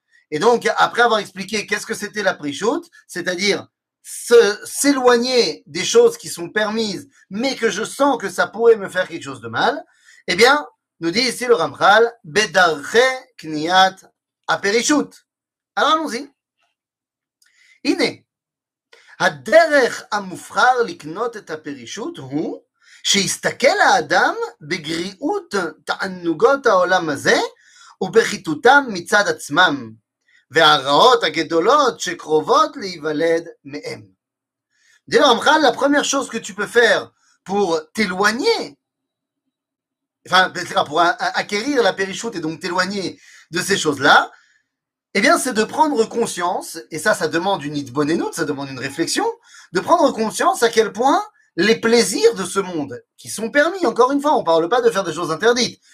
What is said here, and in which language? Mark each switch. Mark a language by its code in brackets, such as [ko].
[fr] Et donc, après avoir expliqué qu'est-ce que c'était la Perishut, c'est-à-dire s'éloigner des choses qui sont permises, mais que je sens que ça pourrait me faire quelque chose de mal, eh bien, nous dit ici le Ramchal, Bedarche Kniat Aperishut. Alors, allons-y. Ine. [he] הדרך המופחר לקנות את הפרישות הוא שיסתכל האדם בגריעות תענוגות העולם הזה ובחיתותם מצד עצמם והרעות הגדולות שקרובות להיוולד מהם. דיל רמחל, [fr] la première chose que tu peux faire pour t'éloigner, enfin, pour acquérir la perishut et donc t'éloigner de ces choses-là, eh bien, c'est de prendre conscience, et ça, ça demande une hitbonenout, ça demande une réflexion, de prendre conscience à quel point les plaisirs de ce monde, qui sont permis, encore une fois, on ne parle pas de faire des choses interdites.